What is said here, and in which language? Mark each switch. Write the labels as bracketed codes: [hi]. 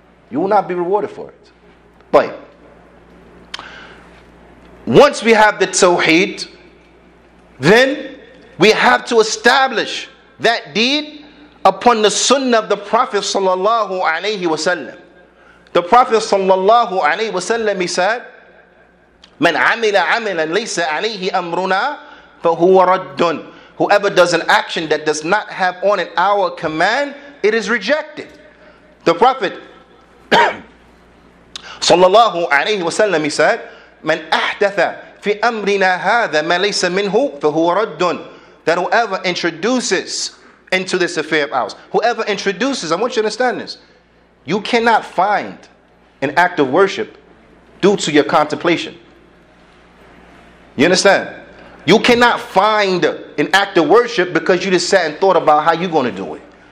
[en] You will not be rewarded for it. But once we have the tawheed, then we have to establish that deed upon the sunnah of the Prophet sallallahu alayhi wa sallam. The Prophet sallallahu alayhi wa sallam, he said, [ar] من عمل عملا ليس عليه أمرنا فهو رد. [en] Whoever does an action that does not have on it our command, it is rejected. The Prophet sallallahu alayhi wa sallam, he said, [ar] من أحدث في أمرنا هذا ما ليس منه فهو رد. [en] That whoever introduces into this affair of ours, whoever introduces, I want you to understand this, you cannot find an act of worship due to your contemplation. You understand? You cannot find an act of worship because you just sat and thought about how you're going to do it.